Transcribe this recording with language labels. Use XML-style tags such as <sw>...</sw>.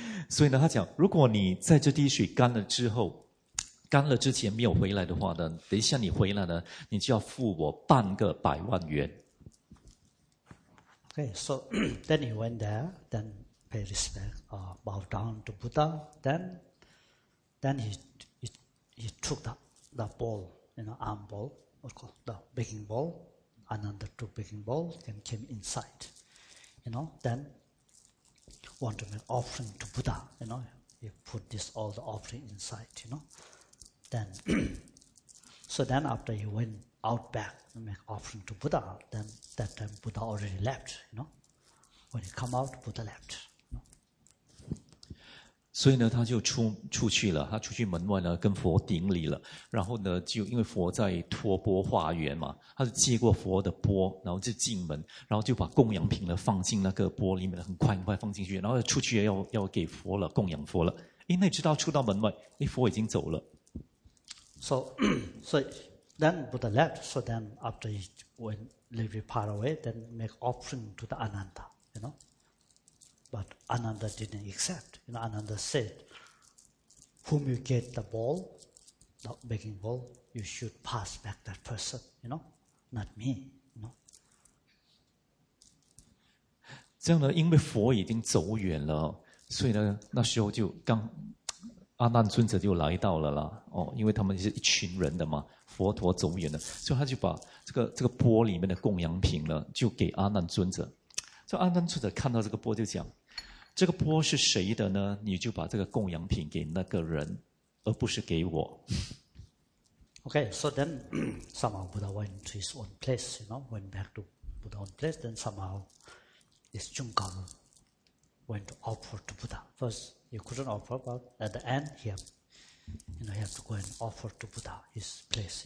<zh>所以呢，他讲，如果你在这滴水干了之后，干了之前没有回来的话呢，等一下你回来呢，你就要付我半个百万元。</zh> <en>Okay, so then he went there, then pay respect, bow down to Buddha, then he took the bowl, you know, arm bowl. The begging bowl, another two begging bowls, and came inside. You know, then want to make offering to Buddha. You know, he put this all the offering inside, you know. Then, so then after he went out back to make offering to Buddha, then that time Buddha already left, you know. When he come out, Buddha left.</en> <zh>所以呢，他就出去了。他出去门外呢，跟佛顶礼了。然后呢，就因为佛在托钵化缘嘛，他就接过佛的钵，然后就进门，然后就把供养品呢放进那个钵里面，很快放进去。然后出去要给佛了，供养佛了。因为直到出到门外，佛已经走了。</zh> <en>So then Buddha left. So then after he went a little bit far away, then make offering to the Ananda, you know. But Ananda didn't accept. You know, Ananda said, whom you get the ball, the begging ball, you should pass back that person, you know, not me, you know.</en> <zh>这样呢，因为佛已经走远了，所以呢，那时候就刚阿难尊者就来到了啦。哦，因为他们是一群人的嘛，佛陀走远了，所以他就把这个钵里面的供养品呢，就给阿难尊者。这阿难尊者看到这个钵就讲，这个钵是谁的呢？你就把这个供养品给那个人，而不是给我。</zh> <en>Okay, so then somehow Buddha went to his own place, you know, went back to Buddha's own place. Then somehow this Junggang went to offer to Buddha. First, he couldn't offer, but at the end, he had to go and offer to Buddha his place.</en>